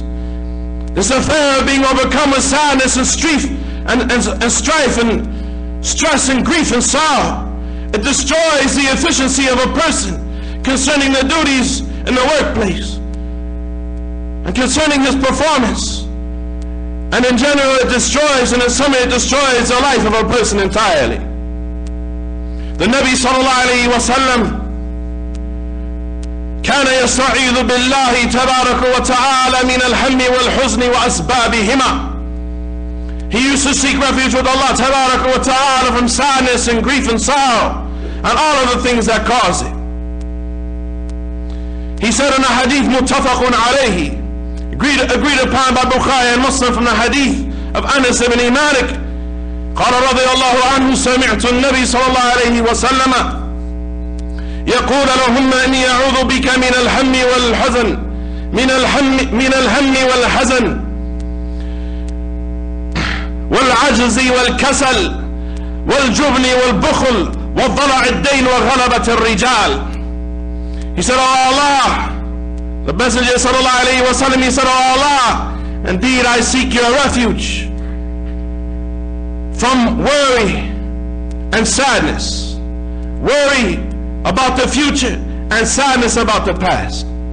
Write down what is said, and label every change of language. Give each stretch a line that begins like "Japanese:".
English: This affair of being overcome with sadness and strife and strife and stress and grief and sorrow, it destroys the efficiency of a person concerning the duties in the workplace and concerning his performance. And in general, it destroys, and in summary, it destroys the life of a person entirely. The Nabi
Arabic: sallallahu alayhi wa sallam كان يستعيذ بالله تبارك وتعالى من الهم والحزن وأسبابهما.
English: He used to seek refuge with Allah تبارك وتعالى from sadness and grief and sorrow and all of the things that cause it. He said in a hadith
Arabic: متفق عليه,
English: agreed upon by Bukhari and Muslim from the hadith of Anas ibn Malik,
Arabic: قال رضي الله عنه سمعت النبي صلى الله عليه وسلم يقول لهم إني أعوذ بك من الهم والحزن من الهم والحزن والعجز والكسل والجبن والبخل والضلع الدين وغلبة الرجال.
English: He said, oh Allah, the Messenger sallallahu alayhi wa sallam, he said, oh Allah, indeed I seek your refuge from worry and sadness. Worry about the future and sadness about the past.